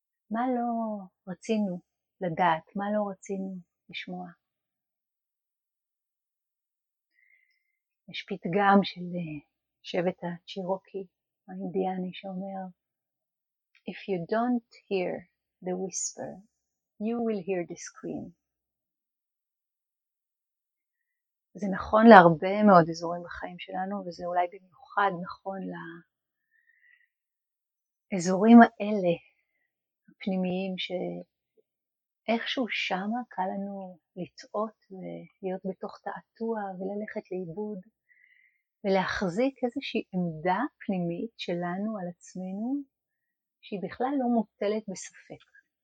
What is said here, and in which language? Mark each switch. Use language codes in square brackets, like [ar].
[he] מה לא רצינו לדעת, מה לא רצינו לשמוע? יש פתגם של שבט הצ'ירוקי האינדיאני שאומר, [en] If you don't hear the whisper, you will hear the scream. [he] זה נכון להרבה מאוד אזורים בחיים שלנו, וזה אולי במיוחד נכון לאזורים האלה הפנימיים, שאיכשהו שמה קל לנו לטעות ולהיות בתוך תעתוע וללכת לאיבוד, ולהחזיק איזושהי עמדה פנימית שלנו על עצמנו, שהיא בכלל לא מוטלת בספק.